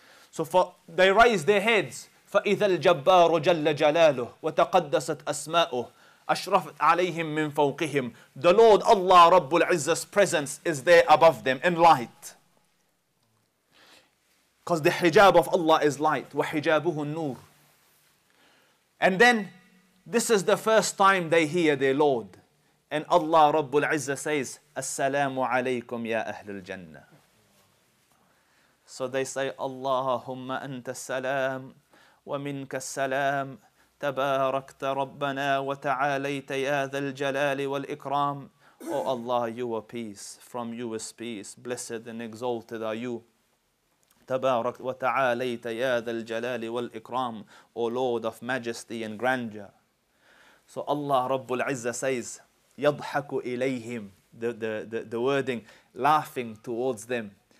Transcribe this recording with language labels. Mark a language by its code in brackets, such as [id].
[en] So they raise their heads. [ar] فَإِذَا الْجَبَّارُ جَلَّ جَلَالُهُ وَتَقَدَّسَتْ أَسْمَاؤُهُ أَشْرَفَتْ عَلَيْهِمْ مِنْ فَوْقِهِمْ [en] The Lord Allah Rabbul Izzah's presence is there above them in light. Because the hijab of Allah is light. [ar] وَحِجَابُهُ النُّورُ [en] And then, this is the first time they hear their Lord. And Allah Rabbul Izzah says, [ar] أَسَّلَامُ عَلَيْكُمْ يَا أَهْلِ الْجَنَّةِ [en] So they say, [ar] اللهم أنت السلام ومنك السلام تباركت ربنا وتعاليت يا ذا الجلال والإكرام [en] Oh Allah, you are peace. From you is peace. Blessed and exalted are you. [ar] تبارك وتعاليت يا ذا الجلال والإكرام [en] O Lord of majesty and grandeur. So Allah رب العزة says, [ar] يضحك إليهم [en] the wording, laughing towards them.